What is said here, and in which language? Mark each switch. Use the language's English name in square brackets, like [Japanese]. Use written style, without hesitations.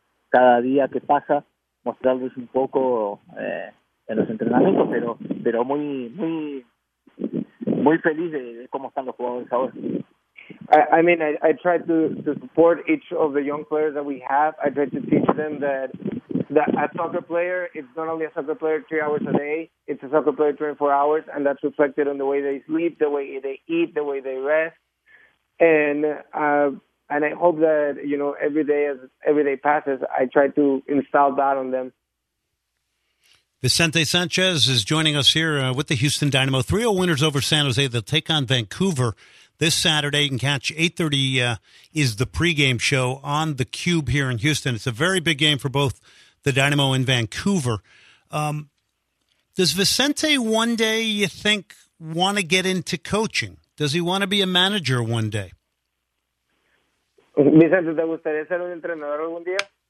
[Spanish] cada día que pasa mostrarles un poco en los entrenamientos, pero muy muy muy feliz de cómo están los jugadores ahora. [English] I try to support each of the young players that we have. I try to teach them that a soccer player, it's not only a soccer player 3 hours a day, it's a soccer player 24 hours, and that's reflected in the way they sleep, the way they eat, the way they rest. And I hope that, you know, every day passes, I try to install that on them. Vicente Sanchez is joining us here with the Houston Dynamo. 3-0 winners over San Jose. They'll take on Vancouver this Saturday. You can catch 8:30 is the pregame show on the Cube here in Houston. It's a very big game for both the Dynamo and Vancouver. Does Vicente one day, you think, want to get into coaching? Does he want to be a manager one day? [Spanish] Vicente, ¿te gustaría ser un entrenador algún día?